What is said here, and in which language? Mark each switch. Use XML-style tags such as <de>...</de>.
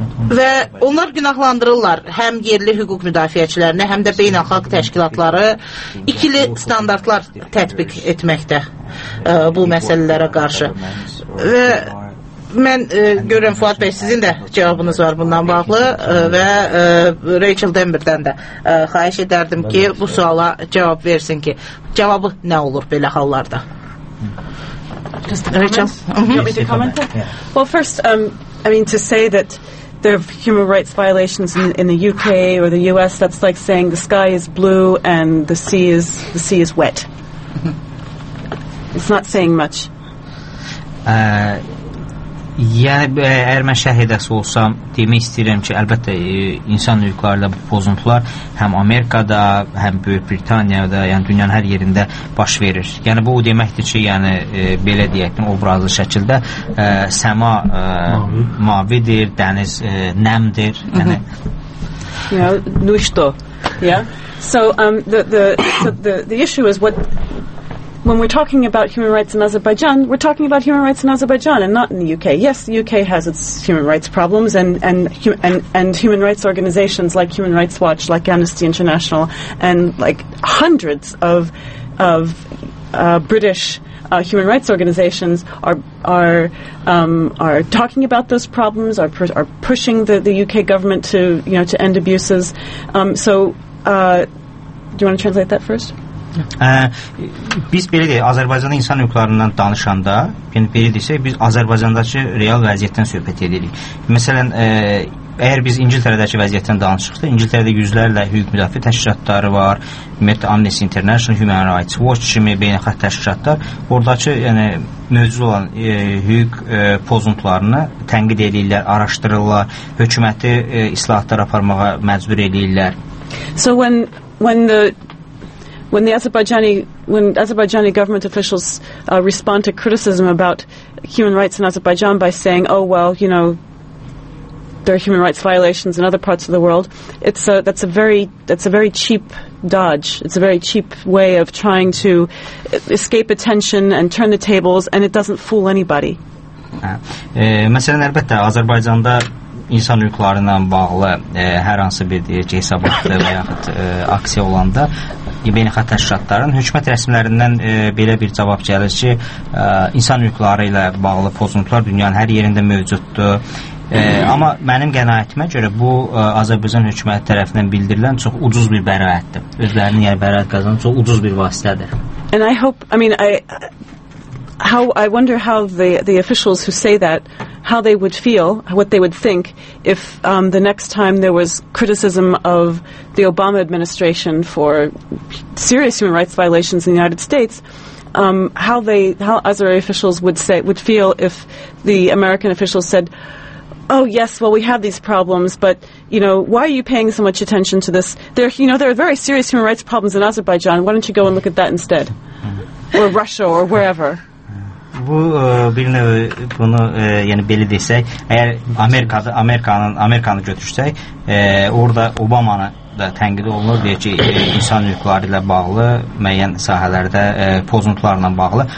<az>Və onlar günahlandırırlar həm yerli hüquq müdafiəçilərini, həm də beynəlxalq təşkilatları ikili standartlar tətbiq etməkdə bu məsələlərə qarşı. Və mən görürəm, Fuad bəy, sizin də cavabınız var bundan bağlı və Rachel Denver-dən də xahiş edərdim ki, bu suala cavab versin ki, cavabı nə olur belə hallarda?</az> <en>Well, first, I mean, to say that there are human rights violations in the UK or the US, that's like saying the sky is blue and the sea is wet. It's not saying much.</en> <az>Yəni, əgər mən şəhidəsi olsam, demək istəyirəm ki, əlbəttə insan hüquqlarında bu pozuntular həm Amerikada, həm Böyük Britaniyada, yəni dünyanın hər yerində baş verir. Yəni, bu deməkdir ki, yəni, belə deyəkdir, obrazlı şəkildə səma mavidir, dəniz nəmdir. Yəni,</az> <en>nüşto. So, the issue is what... When we're talking about human rights in Azerbaijan, we're talking about human rights in Azerbaijan and not in the UK. Yes, the UK has its human rights problems, and human rights organizations like Human Rights Watch, like Amnesty International, and like hundreds of British human rights organizations are talking about those problems, are pushing the UK government to, you know, to end abuses. So do you want to translate that first?</en> <az>Biz belə deyək, Azərbaycanın insan hüquqlarından danışanda, yəni belə desək, biz Azərbaycandakı real vəziyyətdən söhbət edirik. Məsələn, əgər biz İngiltərədəki vəziyyətdən danışıqda, İngiltərədə yüzlərlə hüquq müdafiə təşkilatları var, Met Amnesty International, Human Rights Watch kimi beynəlxalq təşkilatlar, oradakı yəni, mövcud olan hüquq pozuntularını tənqid edirlər, araşdırırlar, hökuməti islahatlar aparmağa məcbur edirlər.</az> <en>So when Azerbaijani government officials respond to criticism about human rights in Azerbaijan by saying, oh, well, you know, there are human rights violations in other parts of the world, that's a very cheap dodge. It's a very cheap way of trying to escape attention and turn the tables, and it doesn't fool anybody.</en> <az>Məsələn, əlbəttə, Azərbaycanda insan hüquqları ilə bağlı hər hansı bir hesabatda və yaxud aksiya olanda beynəlxalq təşkilatların hökumət rəsmlərindən belə bir cavab gəlir ki, insan hüquqları ilə bağlı pozuntular dünyanın hər yerində mövcuddur. Amma mənim qənaətimə görə bu Azərbaycan hökuməti tərəfindən bildirilən çox ucuz bir bəraətdir. Özlərinin yəni bəraət qazanan çox ucuz bir vasitədir.</az> <en>And I hope, I mean, I wonder how the officials who say that, how they would feel, what they would think if the next time there was criticism of the Obama administration for serious human rights violations in the United States, how Azeri officials would feel if the American officials said, oh yes, well we have these problems, but you know, why are you paying so much attention to this? There, you know, there are very serious human rights problems in Azerbaijan. Why don't you go and look at that instead? Or Russia or wherever.</en> <az>Bu bir növ bunu yəni belə desək, əgər Amerikanı götürsək, orada Obamanı da tənqid olunur, deyək ki, insan hüquqları ilə bağlı müəyyən sahələrdə pozuntularla bağlı.</az>